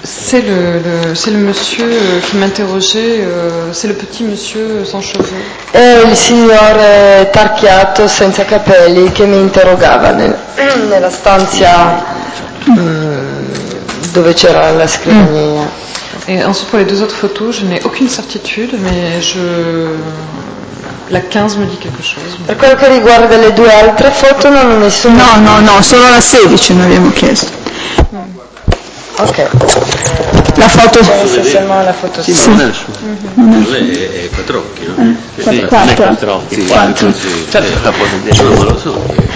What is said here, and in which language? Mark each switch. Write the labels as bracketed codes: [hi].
[fr] C'est le monsieur qui m'interrogeait. C'est le petit monsieur sans cheveux. [it] Il signore tarchiato senza capelli che mi interrogava nella stanza dove c'era la scrivania. [fr] Et ensuite pour les deux autres photos, je n'ai aucune certitude, mais je la 15 me dit quelque chose. [it] Per quello che riguarda le due altre foto, non ho nessuna. No, no, no, solo la 16 noi abbiamo chiesto. Ok. La foto. La foto sì. Sì. Mm-hmm. Lei è quattro occhi, no? Sì, sì. Quattro. Sì, quattro. Quattro. Sì. Certo, la foto so.